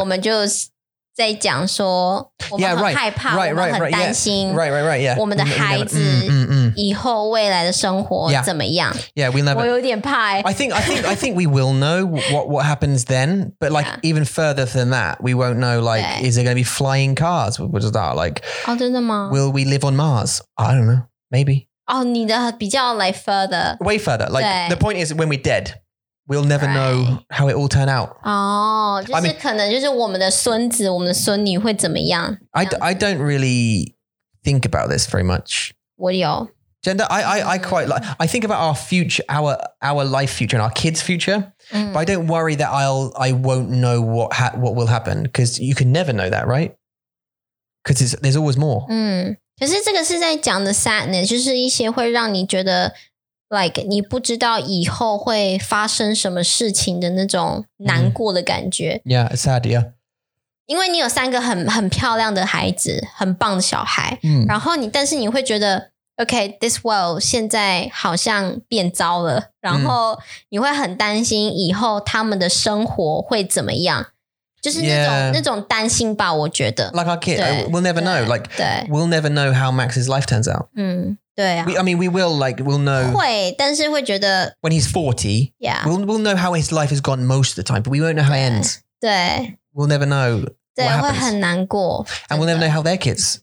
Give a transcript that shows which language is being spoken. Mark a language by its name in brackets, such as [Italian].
[Chinese] 我们就在讲说我们很害怕 [English] yeah, right, right, [Chinese] 我们很担心 [English] right, right, right, yeah. [Chinese] 我们的孩子以后未来的生活怎么样 [English] yeah. Yeah, we'll never, [Chinese] 我有点怕、欸、 [English] I think we will know what happens then but like、yeah. even further than that we won't know like is there going to be flying cars what is that like、 [Chinese] oh, 真的吗 [English] will we live on Mars I don't know maybe、 [Chinese] oh, 你的比较 [English] like further way further like the point is when we're deadWe'll never、right. know how it all turn out. [Chinese] Oh, 就是可能就是我们的孙子我们的孙女会怎么样。 [English] I don't really think about this very much. What do y'all? Gender, I quite like, I think about our future, our life future and our kids' future,、mm. but I don't worry that I won't know what will happen because you can never know that, right? Because there's always more.、 [Chinese] Mm. 可是这个是在讲的 sadness, 就是一些会让你觉得Like, 你不知道以后会发生什么事情的那种难过的感觉。 [English] Mm. Yeah, it's sad, yeah. [Chinese] 因为你有三个很漂亮的孩子,很棒的小孩。 Mm. 然后你,但是你会觉得 [English] okay, this world [Chinese] 现在好像变糟了。然后你会很担心以后他们的生活会怎么样。就是那种担心吧，我觉得。 [English] Like our kid, we'll never know. Like, we'll never know how Max's life turns out. [Chinese] 嗯，对啊。 [English] I mean, we will, like, we'll know. [Chinese] 会，但是会觉得。 [English] When he's 40, yeah. we'll know how his life has gone most of the time, but we won't know how it ends. [Chinese] 对。 [English] We'll never know. [Chinese] 对，会很难过。 [English] And we'll never know how their kids.